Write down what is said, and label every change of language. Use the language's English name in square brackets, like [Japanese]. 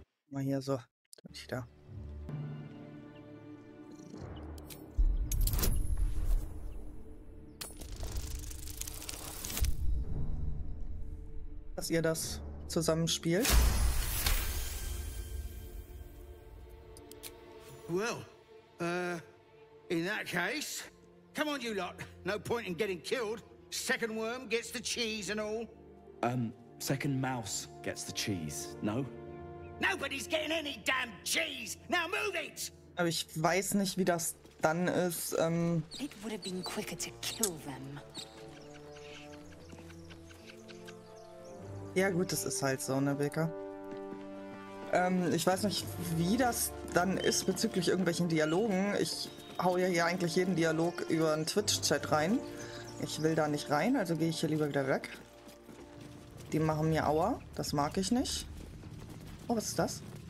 [German] Mal hier so, dann bin ich da. Dass ihr das zusammenspielt. [English] Well, in that case, come on, you lot. No point in getting killed. Second worm gets the cheese and all. Second mouse gets the cheese, no? Nobody's getting any damn cheese. Now move it! [German] Aber ich weiß nicht, wie das dann ist. [English] It would have been quicker to kill them. [German] Ja gut, das ist halt so, ne, Baker? Ich weiß nicht, wie das dann ist bezüglich irgendwelchen Dialogen. Ich hau ja hier eigentlich jeden Dialog über einen Twitch-Chat rein. Ich will da nicht rein, also gehe ich hier lieber wieder weg. Die machen mir Aua, das mag ich nicht. Oh, was ist das?